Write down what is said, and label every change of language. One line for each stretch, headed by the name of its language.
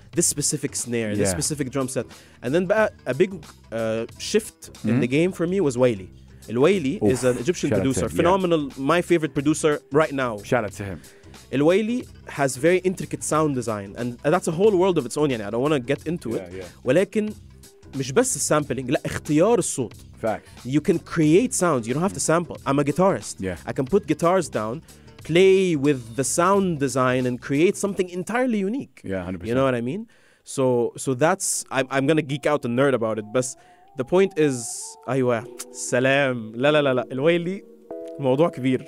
English: This specific snare, this specific drum set. And then a big shift in the game for me was Wiley. Wiley is an Egyptian producer. Phenomenal. Yeah. My favorite producer right now. Shout out to him. Wiley has very intricate sound design. And that's a whole world of its own.
Arabic: يعني.
English: I don't want to get into it. Yeah, yeah.
Arabic: ولكن مش بس sampling, لا, اختيار الصوت.
English: Facts. You can create sounds. You don't have to sample. I'm a guitarist. Yeah. I can put guitars down, play with the sound design, and create something entirely unique. Yeah, 100%. You know what I mean? So that's... I'm going to geek out and nerd about it, but the point is...
Arabic: Aywa, salam. La la la la. Al-Wayli. موضوع كبير.